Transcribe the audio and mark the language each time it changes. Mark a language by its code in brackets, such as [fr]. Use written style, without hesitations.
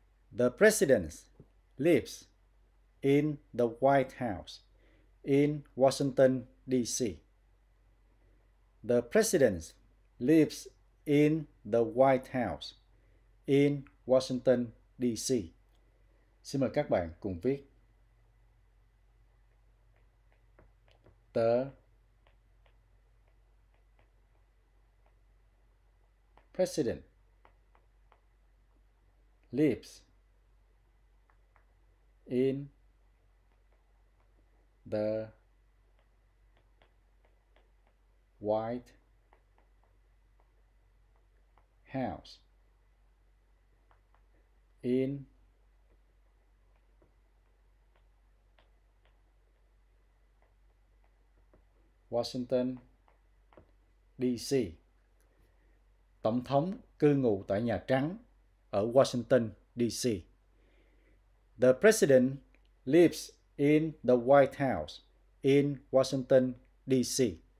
[en] The president lives in the White House in Washington, D.C. The president lives in the White House in Washington, D.C. [vi] Xin mời các bạn cùng viết. [en] Tớ President lives in the White House in Washington, D.C. [vi] Tổng thống cư ngụ tại Nhà Trắng ở Washington, D.C. [en] The president lives in the White House in Washington, D.C.